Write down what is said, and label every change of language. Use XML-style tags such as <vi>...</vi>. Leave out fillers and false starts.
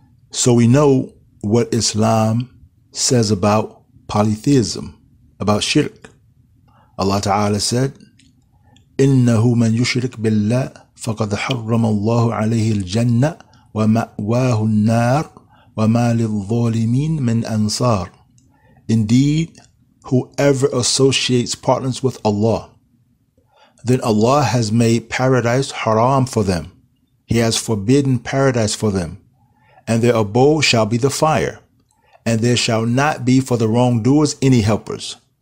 <en>So we know what Islam says about polytheism, about shirk. Allah Ta'ala said,</en> <ar>إِنَّهُ مَنْ يُشْرِكْ بِاللَّهِ فَقَدْ حَرَّمَ اللَّهُ عَلَيْهِ الْجَنَّةِ وَمَأْوَاهُ النَّارِ وَمَا لِلظَّالِمِينَ مِنْ أَنصَارِ.</ar> <en>Indeed, whoever associates partners with Allah, then Allah has made paradise haram for them. He has forbidden paradise for them. And their abode shall be the fire, and there shall not be for the wrongdoers any helpers.</en>